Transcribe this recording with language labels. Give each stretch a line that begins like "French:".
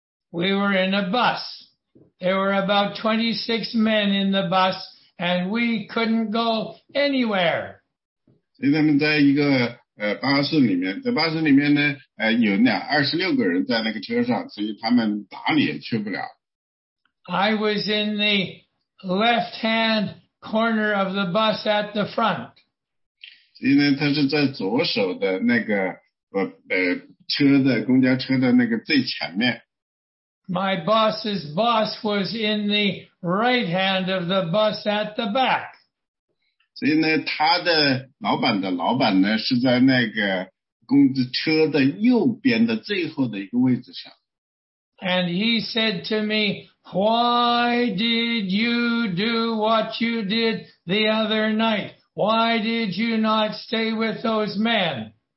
English: We were in a bus. There were about 26 men in the bus, and we couldn't go anywhere.
Chinese: 所以他们在一个巴士里面，在巴士里面呢，有26个人在那个车上，所以他们哪里也去不了。
English: I was in the left-hand corner of the bus at the front.
Chinese: 所以呢，他是在左手的那个车的公交车的那个最前面。
English: My boss's boss was in the right hand of the bus at the back.
Chinese: 所以呢，他的老板的老板呢，是在那个工资车的右边的最后的一个位置上。
English: And he said to me, why did you do what you did the other night? Why did you not stay with those men?